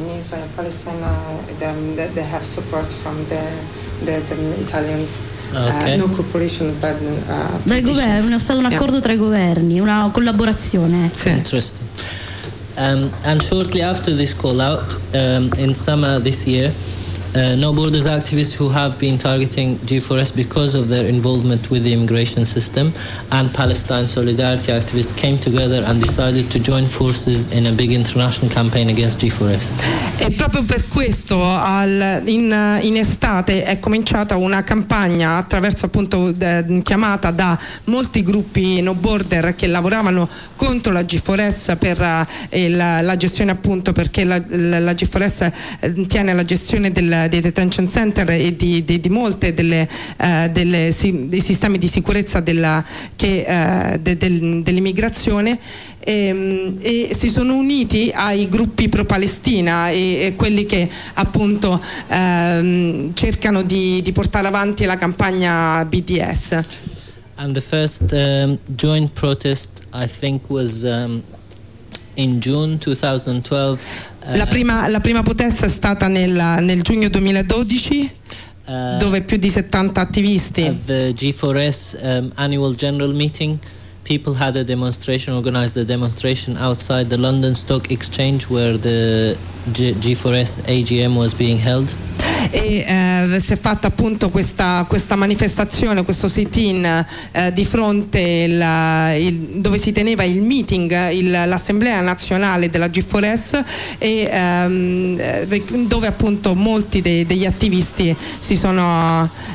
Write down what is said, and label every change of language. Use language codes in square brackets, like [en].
[en] In Palestine, they have support from the Italians. Okay. No corporation, but [it] dai governi, è stato un accordo tra i governi, una collaborazione. Sì. [en] Interesting. And shortly after this call out, in summer this year, No Borders activists who have been targeting G4S because of their involvement with the immigration system and Palestine solidarity activists came together and decided to join forces in a big international campaign against G4S. [it] E proprio per questo in estate è cominciata una campagna attraverso appunto chiamata da molti gruppi No Border che lavoravano contro la G4S per la gestione, appunto perché la G4S tiene la gestione dei detention center e di molte dei sistemi di sicurezza dell'immigrazione, e si sono uniti ai gruppi pro Palestina e quelli che appunto cercano di portare avanti la campagna BDS. [en] And the first joint protest I think was in June 2012. [it] La prima protesta è stata nel giugno 2012, dove più di 70 attivisti. [en] At the G4S annual general meeting, people had a demonstration, organized a demonstration outside the London Stock Exchange where the G4S AGM was being held. [it] E si è fatta appunto questa manifestazione, questo sit-in di fronte dove si teneva il meeting, l'assemblea nazionale della G4S, e dove appunto molti degli attivisti si sono